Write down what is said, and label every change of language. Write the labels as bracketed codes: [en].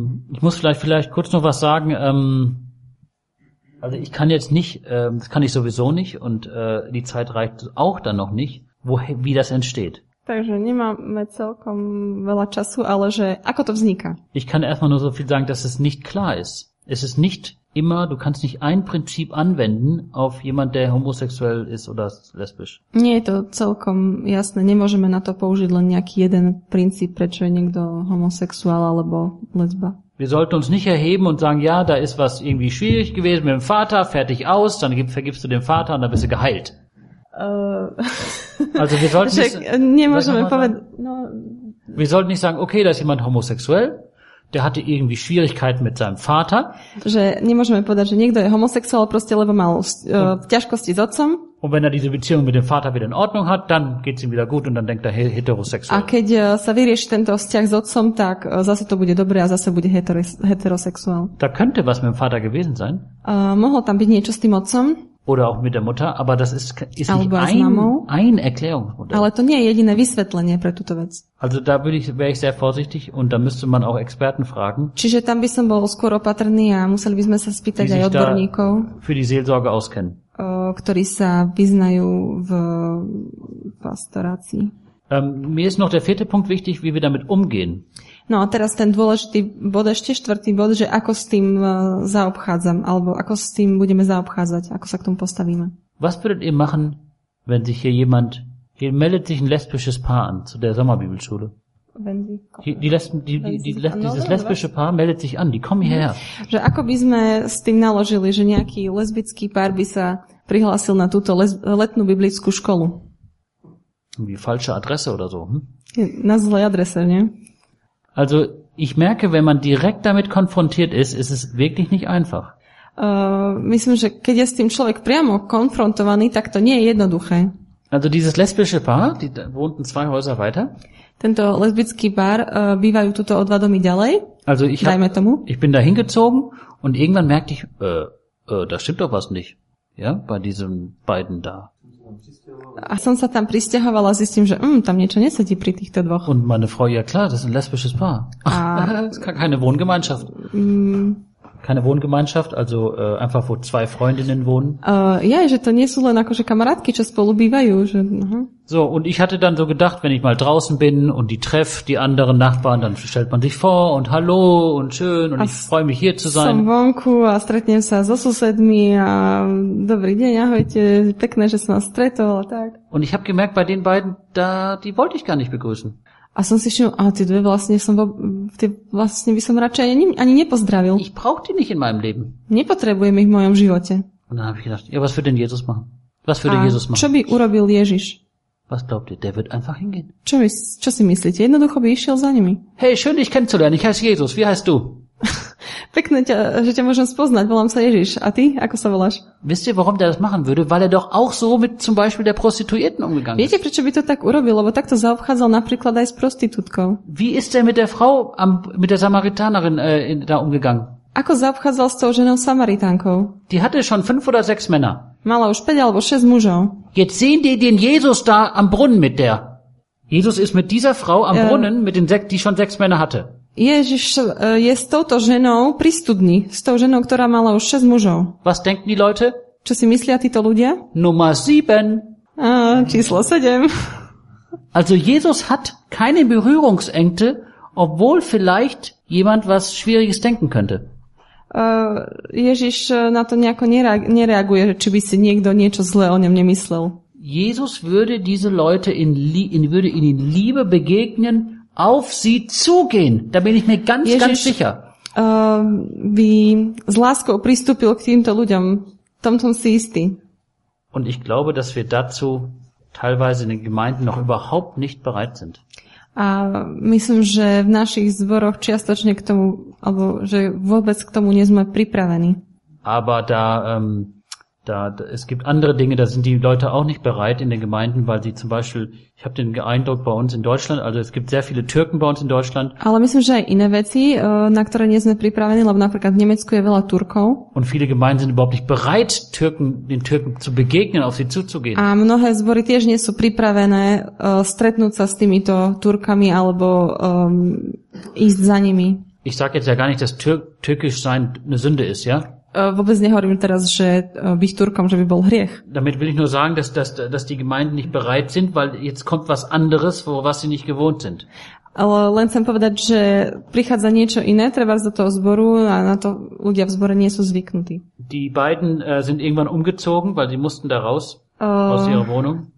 [de] Ich muss vielleicht kurz noch was sagen. Also ich kann jetzt nicht, das kann ich sowieso nicht und die Zeit reicht auch dann noch nicht, wie das entsteht. [sk] Takže nemáme celkom veľa času, ale že ako to vzniká? [de] Ich kann erstmal nur so viel sagen, dass es nicht klar ist. Es ist nicht immer, du kannst nicht ein Prinzip anwenden auf jemand, der homosexuell ist oder lesbisch. [sk] Nie je to celkom jasné, nemôžeme na to použiť len nejaký jeden princíp, prečo je niekto homosexuál alebo lesba. [de] Wir sollten uns nicht erheben und sagen, ja, da ist was irgendwie schwierig gewesen mit dem Vater, fertig aus, dann vergibst du dem Vater und dann bist du geheilt. Also wir sollten nicht, wir sollten nicht sagen, okay, da ist jemand homosexuell, der hatte irgendwie Schwierigkeiten mit seinem Vater. [sk] Že nemôžeme povedať, že niekto je homosexuál, proste lebo mal ťažkosti s otcom. [de] Und wenn er diese Beziehung mit dem Vater wieder in Ordnung hat, dann geht's ihm wieder gut und dann denkt er heterosexuell. [sk] A keď sa vyrieši tento vzťah s otcom, tak zase to bude dobre a zase bude heterosexuál. [de] Da könnte was mit dem Vater gewesen sein. [sk] Mohlo tam byť niečo s tým otcom. [de] Oder auch mit der Mutter, aber das ist nicht ein Erklärungsmodell. [sk] Ale to nie je jediné vysvetlenie pre túto vec. [de] Also da wäre ich sehr vorsichtig und da müsste man auch Experten fragen. [sk] Čiže tam by som bol skôr opatrný a museli by sme sa spýtať aj odborníkov. [de] Für die Seelsorge auskennen. [sk] Ktorí sa vyznajú v pastorácii. [de] Mir ist noch der vierte Punkt wichtig, wie wir damit umgehen. [sk] No a teraz ten dôležitý bod, ešte štvrtý bod, že ako s tým zaobchádzam, alebo ako s tým budeme zaobchádzať, ako sa k tomu postavíme. [de] Was würdet ihr machen, wenn sich hier jemand, hier meldet sich ein lesbisches Paar an zu der Sommerbibelschule? Wenn sie kommen. Dieses lesbische Paar meldet sich an, die kommen hierher. [sk] Že ako by sme s tým naložili, že nejaký lesbický pár by sa prihlásil na túto letnú biblickú školu? [de] Wie falsche Adresse oder so, hm? [sk] Na zlej adrese, nie? [de] Also, ich merke, wenn man direkt damit konfrontiert ist, ist es wirklich nicht einfach. [sk] Myslím, že keď je s tým človek priamo konfrontovaný, tak to nie je jednoduché. [de] Also dieses lesbische Paar, die wohnten zwei Häuser weiter. [sk] Tento lesbický pár bývajú tuto o dva domy ďalej. [de] Also ich bin da hingezogen und irgendwann merkte ich, da stimmt doch was nicht. Ja, bei diesen beiden da. [sk] A som sa tam pristahovala a zistím, že tam niečo nesedí pri týchto dvoch. [de] Und meine Frau, ja klar, das ist ein lesbisches Paar. keine Wohngemeinschaft. Keine Wohngemeinschaft, also einfach, wo zwei Freundinnen wohnen. [sk] Že to nie sú len akože kamarátky, čo spolu bývajú. Že, [de] So, und ich hatte dann so gedacht, wenn ich mal draußen bin und die treff, die anderen Nachbarn, dann stellt man sich vor und hallo und schön und ich freue mich hier zu sein. [sk] Som vonku a stretnem sa so susedmi a dobrý deň, ahojte, pekné, že som vás stretol a tak. [de] Und ich habe gemerkt, bei den beiden, da, die wollte ich gar nicht begrüßen. [sk] A som si všiml, a tie dve vlastne som, tie vlastne by som radšej ani nepozdravil. [de] Ich brauch die nicht in meinem Leben. [sk] Nepotrebujem ich v mojom živote. [de] Und dann hab ich gedacht, ja, was würde denn Jesus machen? Was würde Jesus machen? [sk] Čo by urobil Ježiš? [de] Was glaubt ihr, der wird einfach hingehen? [sk] Čo si myslíte? Jednoducho by išiel za nimi. [de] Hey, schön dich kennenzulernen, ich heiße Jesus, wie heißt du? [sk] Pekne, že ťa môžem spoznať, volám sa Ježiš. A ty, ako sa voláš? [de] Wisst ihr, warum der das machen würde? Weil er doch auch so mit zum Beispiel der Prostituierten umgegangen ist. [sk] Viete, prečo by to tak urobil? Lebo takto zaobchádzal napríklad aj s prostitútkou. [de] Wie ist er mit der Frau, mit der Samaritanerin da umgegangen? [sk] Ako zaobchádzal s tou ženou Samaritánkou? [de] Die hatte schon 5 oder 6 Männer. [sk] Mala už 5 alebo 6 mužov. [de] Jetzt sehen die den Jesus da am Brunnen mit der. Jesus ist mit dieser Frau am Brunnen, mit den die schon 6 Männer hatte. [sk] Ježiš je s touto ženou pri studni, s tou ženou, ktorá mala už 6 mužov. [de] Was denken die Leute? [sk] Čo si myslia títo ľudia? [de] Nummer 7. [sk] Číslo 7. [de] Also Jesus hat keine Berührungsängste, obwohl vielleicht jemand was Schwieriges denken könnte. [sk] Ježiš na to nejako nereaguje, či by si niekto niečo zlé o ňom nemyslel. [de] Jesus würde diese Leute würde ihnen Liebe begegnen, auf sie zugehen. Da bin ich mir ganz, [sk] Ježiš, [de] ganz sicher. [sk] By s láskou pristúpil k týmto ľuďom. Tom som si istý. [de] Und ich glaube, dass wir dazu teilweise in den Gemeinden noch überhaupt nicht bereit sind. [sk] A myslím, že v našich zboroch čiastočne k tomu, alebo že vôbec k tomu nie sme pripravení. [de] Aber da, es gibt andere Dinge, da sind die Leute auch nicht bereit in den Gemeinden, weil sie zum Beispiel, ich habe den Eindruck bei uns in Deutschland, also es gibt sehr viele Türken bei uns in Deutschland. [sk] Ale myslím, že aj iné veci, na ktoré nie sme pripravení, lebo napríklad v Nemecku je veľa Turkov. [de] Und viele Gemeinden sind überhaupt nicht bereit, den Türken zu begegnen, auf sie zuzugehen. [sk] A mnohé zbory tiež nie sú pripravené stretnúť sa s týmito Turkami alebo ísť za nimi. [de] Ich sag jetzt ja gar nicht, dass türkisch sein eine Sünde ist, ja? [sk] Vôbec nehovorím teraz, že byť Turkom, že by bol hriech. [de] Damit will ich nur sagen, dass die Gemeinden nicht bereit sind, weil jetzt kommt was anderes, wo was sie nicht gewohnt sind. [sk] Ale len chcem povedať, že prichádza niečo iné, treba do toho zboru a na to ľudia v zbore nie sú zvyknutí. [de] Die beiden sind irgendwann umgezogen, weil sie mussten da raus aus ihrer Wohnung.